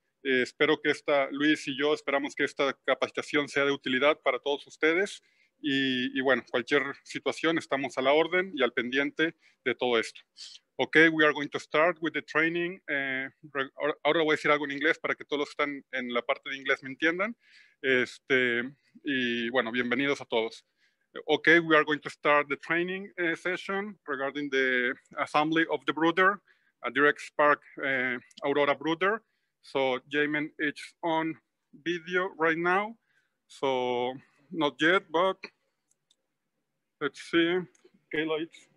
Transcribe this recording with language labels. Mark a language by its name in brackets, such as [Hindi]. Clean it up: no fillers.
[Spanish] Espero que esta, Luis y yo esperamos que esta capacitación sea de utilidad para todos ustedes y bueno, cualquier situación estamos a la orden y al pendiente de todo esto. [English] Ok, we are going to start with the training. [Spanish] Ahora voy a decir algo en inglés para que todos los que están en la parte de inglés me entiendan. Y bueno, bienvenidos a todos. [English] Okay, we are going to start the training session regarding the assembly of the Brooder, a direct spark Aurora Brooder. So Jamin is on video right now. So not yet, but let's see. Okay, lights.